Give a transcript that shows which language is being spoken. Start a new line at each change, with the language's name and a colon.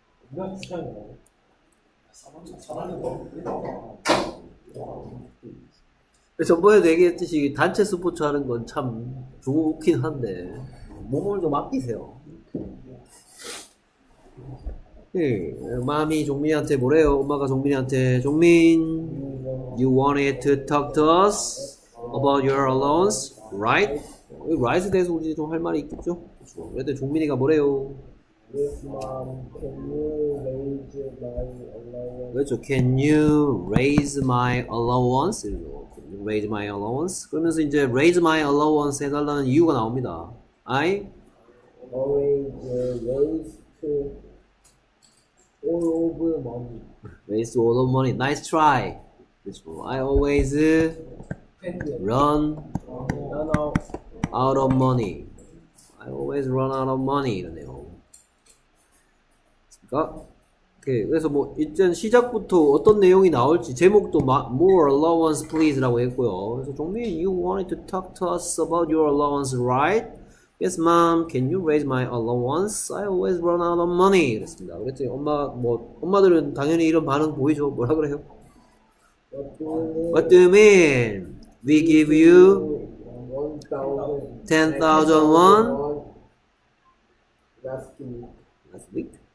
Korean: 내가 주장이 뭐야? 4번째 잘하는 거 전번에도 얘기했듯이 단체 스포츠 하는 건참 좋긴 한데 몸을 좀 아끼세요. 마미 종민이한테 뭐래요? 엄마가 종민이한테 종민,
English: you wanted to talk to us about your allowance, right?
Korean: right에 대해서 우리 좀할 말이 있겠죠? 그래도 종민이가 뭐래요?
English: Yes, mom. Can you raise my allowance?
Korean: 그렇죠.
English: Can you raise my allowance? Raise my allowance.
Korean: 그러면서 이제
English: raise my allowance
Korean: 해달라는 이유가 나옵니다.
English: I Always raise all of money. Nice try. I always run out of money. I always run out of money.
Korean: 오케이. 그래서 뭐 일단 시작부터 어떤 내용이 나올지 제목도
English: More allowance please
Korean: 라고 했고요. 그래서
English: 종민, you wanted to talk to us about your allowance, right? Yes, mom. Can you raise my allowance? I always run out of money.
Korean: 그랬습니다. 그랬더니 엄마들은 당연히 이런 반응 보이죠. 뭐라 그래요?
English: What do you mean? We give you 10,000 won last week.